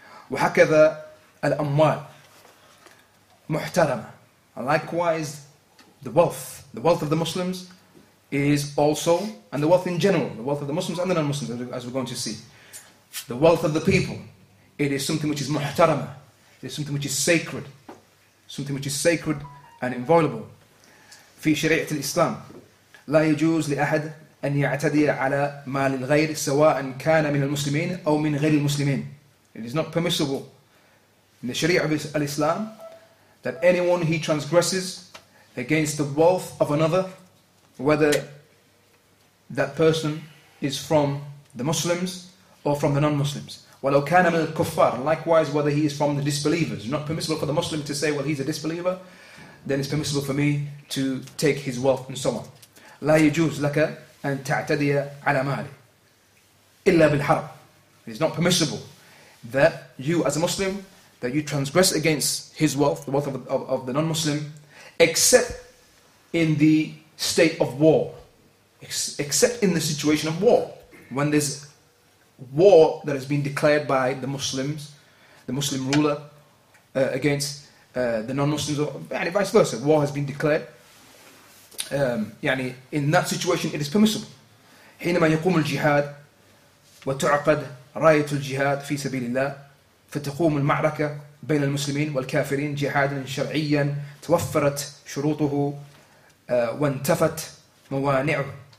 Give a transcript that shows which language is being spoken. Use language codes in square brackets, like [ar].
[ar] وهكذا الأموال محترمة. [en] Likewise, the wealth of the Muslims is also, and the wealth in general, the wealth of the Muslims and the non-Muslims, as we're going to see, the wealth of the people, it is something which is محترمة. It is something which is sacred. Something which is sacred and inviolable. [ar] في شريعة الإسلام لا يجوز لأحد أن يعتدي على مال الغير سواء كان من المسلمين أو من غير المسلمين. [en] It is not permissible in the Sharia of Islam that anyone he transgresses against the wealth of another, whether that person is from the Muslims or from the non-Muslims. [ar] وَلَوْ كَانَ مِنَ الْكُفَّارِ. [en] Likewise, whether he is from the disbelievers. Not permissible for the Muslim to say, well, he's a disbeliever, then it's permissible for me to take his wealth and so on. [ar] لَا يَجُوزْ لَكَ أَن تَعْتَدِيَ عَلَى مَالِ إِلَّا بِالْحَرَبِ. [en] It's not permissible that you as a Muslim, that you transgress against his wealth, the wealth of the non-Muslim, except in the state of war. Except in the situation of war. When there's war that has been declared by the Muslims, the Muslim ruler against the non-Muslims, and vice versa. War has been declared. In that situation, it is permissible. [ar] حينما يقوم الجهاد وتعقد راية الجهاد في سبيل الله فتقوم المعركة بين المسلمين والكافرين جهادا شرعيا توفرت شروطه وانتفت موانعه.